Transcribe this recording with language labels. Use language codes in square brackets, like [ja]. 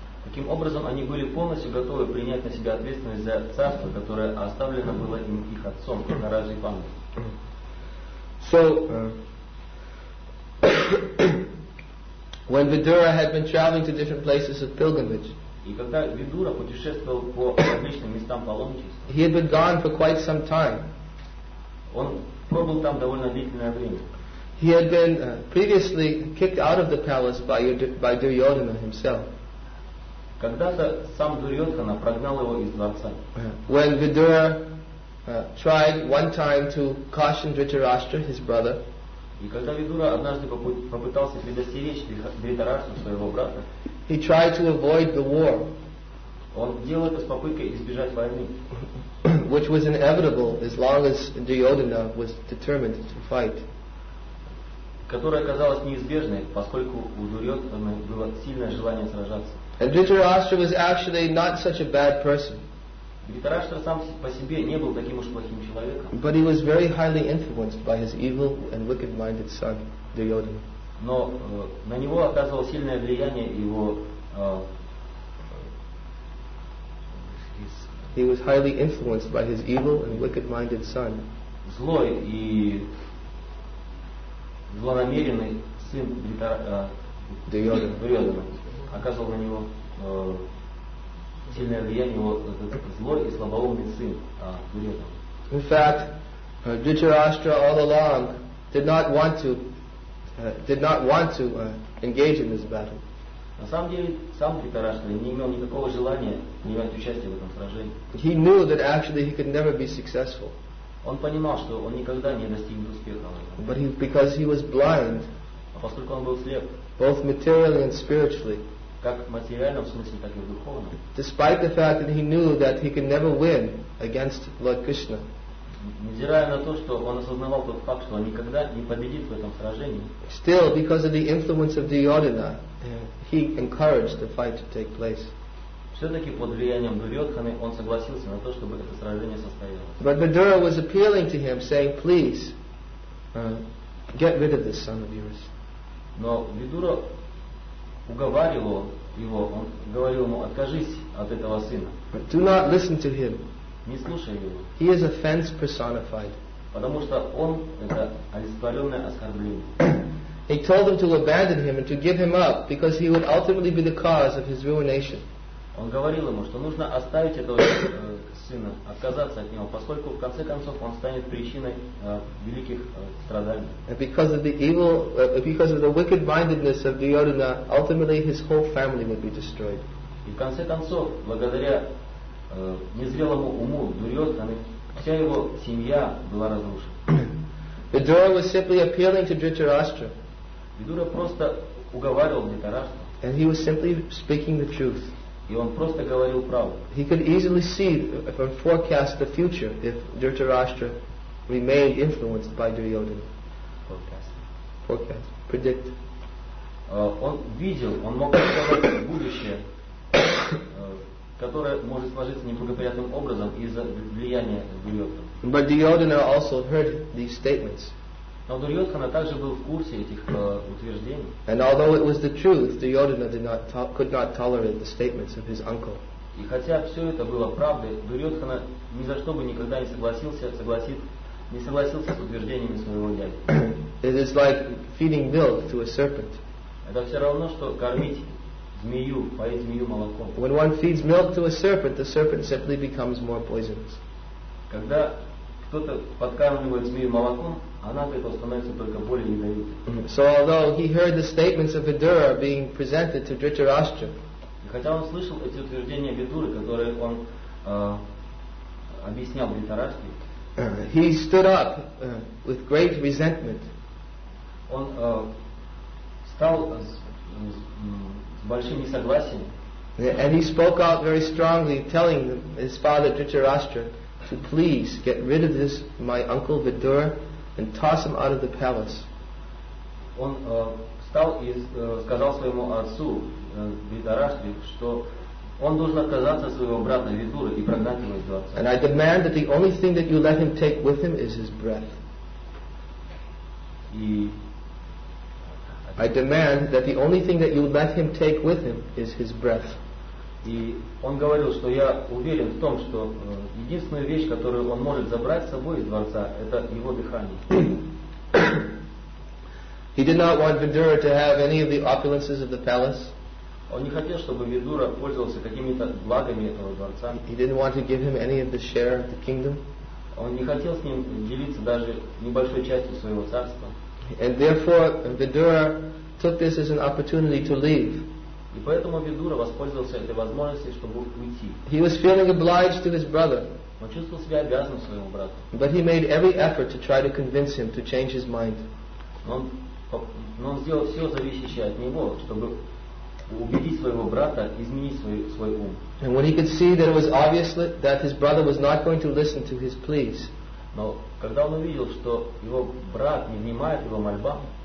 [ru] Таким образом, они были полностью готовы принять на себя ответственность за царство, которое оставлено было им их отцом, Махараджи Панду. [en] So, when Vidura had been traveling to different places of pilgrimage, [ru] и когда Видура путешествовал по различным местам паломничества, [en] he had been gone for quite some time. [ru] Он пробыл там довольно длительное время. [en] He had been previously kicked out of the palace by Duryodhana himself. [ru] Когда-то сам Дурьодхана прогнал его из дворца. [en] When Vidura tried one time to caution Dhritarashtra, his brother. [ru] И когда Видура однажды попытался предостеречь Дхритарашту, своего брата, [en] he tried to avoid the war. [ru] Он делал это с попыткой избежать войны. [en] Which was inevitable as long as Duryodhana was determined to fight. [ru] Которая казалась неизбежной, поскольку у Дурьодхана было сильное желание сражаться. [en] And Dhritarashtra was actually not such a bad person. [ru] Dhritarashtra сам по себе не был таким уж плохим человеком. [en] But he was very highly influenced by his evil and wicked-minded son, Duryodhana. [ru] Но на него оказывало сильное влияние его. [en] He was highly influenced by his evil and wicked-minded son. [ru] Злой и злонамеренный сын Дурьодхана. Оказывал на него сильное влияние его злой и слабоумный сын Дурьодхана. [en] In fact, Dhritarashtra all along did not want to engage in this battle. [ru] На самом деле сам Дхритараштра не имел никакого желания принимать участие в этом сражении. [en] He knew that actually he could never be successful. [ru] Он понимал, что он никогда не достигнет успеха. [en] But because he was blind, [ru] а поскольку он был слеп, [en] both materially and spiritually. [ru] Как в материальном смысле, так и в духовном. [en] Despite the fact that he knew that he could never win against Lord Krishna. [ru] Невзирая на то, что он осознавал тот факт, что он никогда не победит в этом сражении. [en] Still, because of the influence of Duryodhana, he encouraged the fight to take place. [ru] Все-таки под влиянием Дурьодханы он согласился на то, чтобы это сражение состоялось. [en] But Vidura was appealing to him, saying, please, get rid of this son of yours. [ru] Но Vidura уговаривал его, он говорил ему, откажись от этого сына. [en] But do not listen to him. [ru] Не слушай его. [en] He is offense personified. [ru] Потому что он это олицетворенное оскорбление. [en] He told him to abandon him and to give him up because he would ultimately be the cause of his ruination. [ru] Он говорил ему, что нужно оставить этого сына, отказаться от него, поскольку в конце концов он станет причиной великих страданий. [en] And because of the evil, because of the wicked-mindedness of Duryodhana, ultimately his whole family would be destroyed. [ru] И в конце концов, благодаря незрелому уму Дурьодханы, вся его семья была разрушена. [en] Vidura was simply appealing to Dhritarashtra. [ru] Vidura просто уговаривал Дхритарашту. [en] And he was simply speaking the truth. [ru] И он просто говорил правду. [en] He could easily see or forecast the future if Dhritarashtra remained influenced by Duryodhana. Forecast. Forecast. Predict. [ru] он видел, он мог сказать будущее, которое может сложиться неблагоприятным образом из-за влияния Дурьотхана. [en] But Duryodhana also heard these statements. [ru] Но Дурьотхана также был в курсе этих утверждений. [en] And although it was the truth, Duryodhana could not tolerate the statements of his uncle. [ru] И хотя все это было правдой, Дурьотхана ни за что бы никогда не согласился, не согласился с утверждениями своего дяди. [en] It is like feeding milk to a serpent. [ru] Это все равно, что кормить змею, поить змею молоком. [en] When one feeds milk to a serpent, the serpent simply becomes more poisonous. [ru] Когда кто-то подкармливает змею молоком, она от этого становится только более ядовитой. [en] So although he heard the statements of Vidura being presented to Dhritarashtra, [ru] хотя он слышал эти утверждения Видуры, которые он объяснял Дхритарашке, [en] he stood up with great resentment. [ru] Он встал с большим несогласием. [en] And he spoke out very strongly, telling his father Dhritarashtra to please get rid of this my uncle Vidura and toss him out of the palace. [ru] Он встал и сказал своему отцу Дхритараштре, что он должен отказаться от своего брата Видуры и прогнать его из дворца. [en] And I demand that the only thing that you let him take with him is his breath. I demand that the only thing that you let him take with him is his breath. [ru] И он говорил, что я уверен в том, что единственная вещь, которую он может забрать с собой из дворца, это его дыхание. [en] He did not want Vidura to have any of the opulences of the palace. [ru] Он не хотел, чтобы Видура пользовался какими-то благами этого дворца. [en] He didn't want to give him any of the share of the kingdom. [ru] Он не хотел с ним делиться даже небольшой частью своего царства. [en] And therefore, Vidura took this as an opportunity to leave. [ru] И поэтому Видура воспользовался этой возможностью, чтобы уйти. [en] He was feeling obliged to his brother. [ru] Он чувствовал себя обязанным своему брату. [en] But he made every effort to try to convince him to change his mind. [ru] Он сделал все зависящее от него, чтобы убедить своего брата изменить свой ум. [en] And when he could see that it was obvious that his brother was not going to listen to his pleas, [ru] но когда он увидел, что его брат не внимает его мольбам,